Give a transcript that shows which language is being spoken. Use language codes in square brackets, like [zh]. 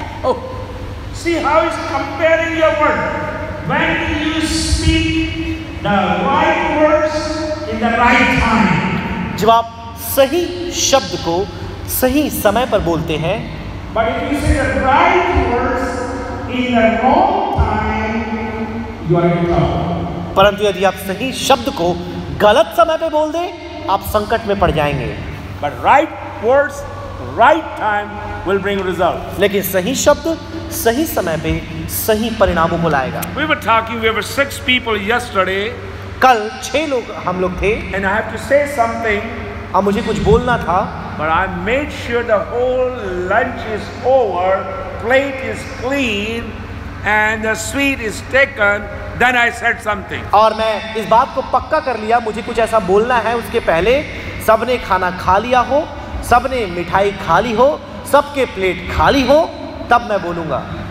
[en] Oh, see how he's comparing your word. When you speak the right words. [hi] जब आप सही शब्द को सही समय पर बोलते हैं परंतु यदि आप सही शब्द को गलत समय पर बोल दें आप संकट में पड़ जाएंगे। [en] But right words, right time will bring result. [hi] लेकिन सही शब्द सही समय पर सही परिणामों को लाएगा। [en] We were talking, we were six people yesterday. [hi] कल 6 लोग हम लोग थे [en] and I have to say something, [hi] अब मुझे कुछ बोलना था [en] but I made sure the whole lunch is over, plate is clean and the sweet is taken, then I said something. [hi] और मैं इस बात को पक्का कर लिया मुझे कुछ ऐसा बोलना है उसके पहले सबने खाना खा लिया हो, सबने मिठाई खा ली हो, सबके प्लेट खाली हो, तब मैं बोलूंगा।